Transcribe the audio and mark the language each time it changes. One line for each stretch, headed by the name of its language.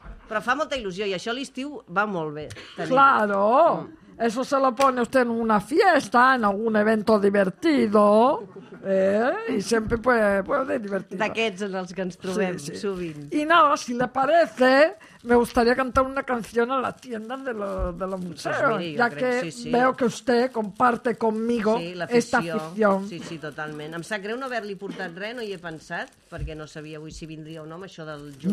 Catalan: Però fa molta il·lusió i això a l'estiu va molt bé.
Spanish: Claro, eso se lo pone usted en una fiesta, en algún evento divertido, y siempre puede divertir.
Catalan: D'aquests en els que ens trobem sovint.
Spanish: Y nada, si le parece, me gustaría cantar una canción a la tienda de los museos, pues ya que veo que usted comparte conmigo esta afición.
Catalan: Sí, sí, totalment. Em sap greu no haver-li portat res, no hi he pensat, perquè no sabia avui si vindria o no amb això del Joan.